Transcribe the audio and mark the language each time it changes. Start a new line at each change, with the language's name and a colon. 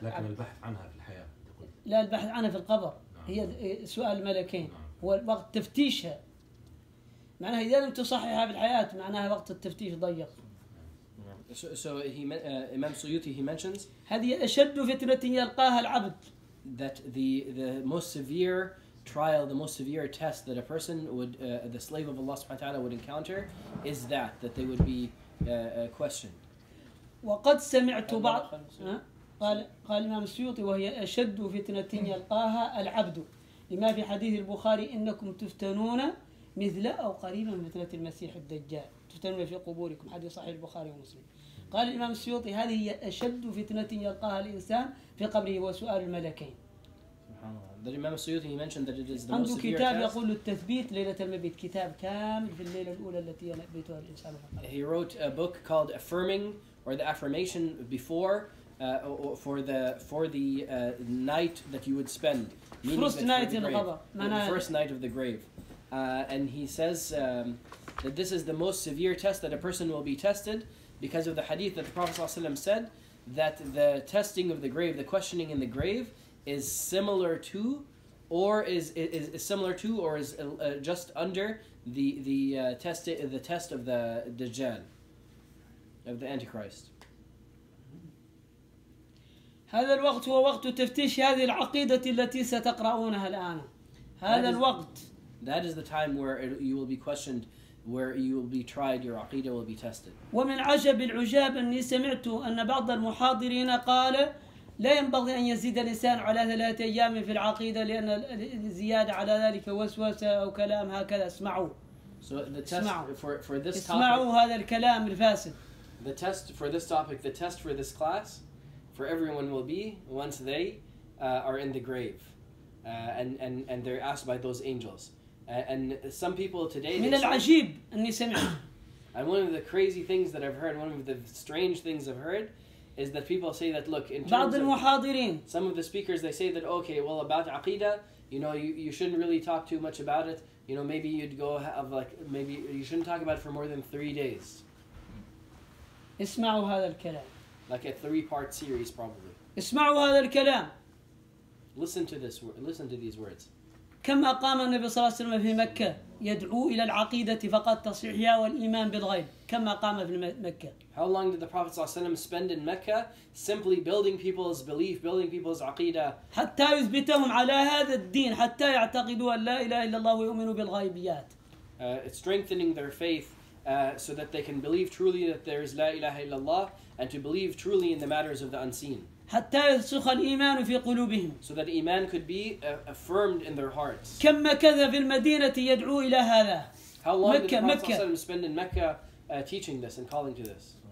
Arabic: لكن البحث عنها في الحياة. لا البحث عنها في القبر. نعم. هي سؤال الملكين. نعم. هو وقت تفتيشها. معناها إذا لم تصححها في الحياة معناها وقت التفتيش ضيق.
English: So Imam Suyuti he mentions.
Arabic: هذه أشد فتنة يلقاها العبد.
English: That the most severe trial, the most severe test that a person would, the slave of Allah subhanahu wa ta'ala would encounter is that they would be questioned.
Arabic: وقد سمعت بعض قال إمام السيوطي وهي أشد فتنة يلقاها العبد لما في حديث البخاري إنكم تفتنون مثل أو قريبا مثل المسيح الدجال تفتنون في قبوركم حديث صحيح البخاري ومسلم قال الإمام السيوطي هذه هي أشد فتنة يلقاها الإنسان في قبره وسؤال الملكين.
English: The Imam Suyuti mentioned that it is the
Arabic: عنده
English: most
Arabic: كتاب
English: severe
Arabic: يقول التثبيت ليلة المبيت كتاب كامل في الليلة الأولى التي يبيتها الإنسان.
English: He wrote a book called Affirming or the Affirmation before for the night that you would spend. First night in the grave. First night of the grave. And he says that this is the most severe test that a person will be tested because of the hadith that the Prophet ﷺ said that the testing of the grave, the questioning in the grave, is similar to, or is similar to, or is just under the test of the Dajjal, of the Antichrist.
Arabic: هذا الوقت هو وقت تفتيش هذه العقيدة التي ستقرأونها الآن. هذا الوقت.
English: That is the time where you will be questioned, where you will be tried, your عقيدة will be tested.
Arabic: ومن عجب العجاب أني سمعت أن بعض المحاضرين قال لا ينبغي أن يزيد الإنسان على 3 أيام في العقيدة لأن الزيادة على ذلك وسوسة أو كلام هكذا. اسمعوا.
English: So the test for this topic.
Arabic: اسمعوا هذا الكلام الفاسد.
English: The test for this topic, the test for this class, for everyone will be once they are in the grave, and they're asked by those angels. And some people today.
Arabic: من العجيب أني سمعت.
English: And one of the crazy things that I've heard, one of the strange things I've heard, is that people say that, look, in terms of some of the speakers, they say that, okay, well, about aqidah, you know, you shouldn't really talk too much about it. You know, maybe you'd go have, like, maybe you shouldn't talk about it for more than 3 days.
Arabic: اسمعوا هذا الكلام.
English: Like a 3-part series, probably.
Arabic: اسمعوا هذا الكلام.
English: Listen to these words.
Arabic: كما قام النبي صلى الله عليه وسلم في مكة يدعو إلى العقيدة فقط تصحيحها والإيمان بالغيب كما قام في مكة.
English: How long did the Prophet صلى الله عليه وسلم spend in Mecca simply building people's belief, building people's عقيدة؟
Arabic: حتى يثبتهم على هذا الدين حتى يعتقدوا أن لا إله إلا الله ويؤمنوا بالغيبيات.
English: Strengthening their faith so that they can believe truly that there is لا إله إلا الله and to believe truly in the matters of the unseen.
Arabic: حتى يرسخ الإيمان في قلوبهم.
English: So that iman could be affirmed in their hearts.
Arabic: كم مكث في المدينة يدعو إلى هذا؟
English: How long مكة, did the Prophet spend in Mecca teaching this and calling to this?